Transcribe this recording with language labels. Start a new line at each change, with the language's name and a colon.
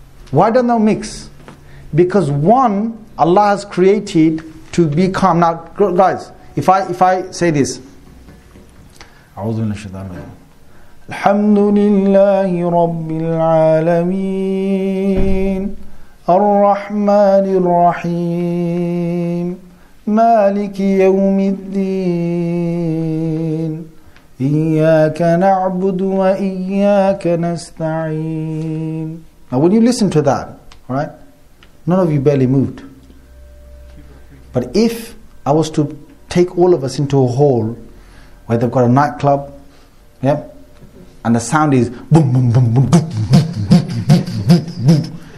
English: Why don't they mix? Because one, Allah has created to be calm. Now, guys, if I say this,
Arabic: أعوذ من الشيطان الرجيم. الحمد لله رب العالمين الرحمن الرحيم مالك يوم الدين إياك نعبد وإياك نستعين.
English: Now when you listen to that, right, none of you barely moved. But if I was to take all of us into a hall where they've got a nightclub, yeah, and the sound is boom, boom, boom, boom, boom, boom, boom, boom, boom, boom, boom, boom, boom, boom, boom, boom.